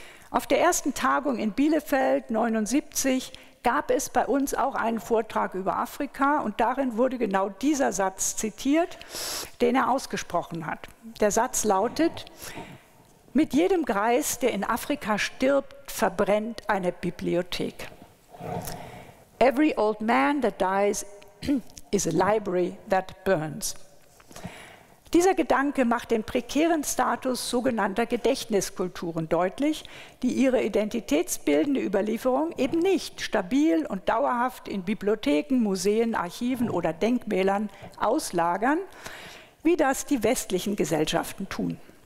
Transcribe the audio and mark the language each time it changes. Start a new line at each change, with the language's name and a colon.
German: Auf der ersten Tagung in Bielefeld 1979 gab es bei uns auch einen Vortrag über Afrika und darin wurde genau dieser Satz zitiert, den er ausgesprochen hat. Der Satz lautet: Mit jedem Greis, der in Afrika stirbt, verbrennt eine Bibliothek.
English: Every old man that dies is a library that burns.
German: Dieser Gedanke macht den prekären Status sogenannter Gedächtniskulturen deutlich, die ihre identitätsbildende Überlieferung eben nicht stabil und dauerhaft in Bibliotheken, Museen, Archiven oder Denkmälern auslagern, wie das die westlichen Gesellschaften tun.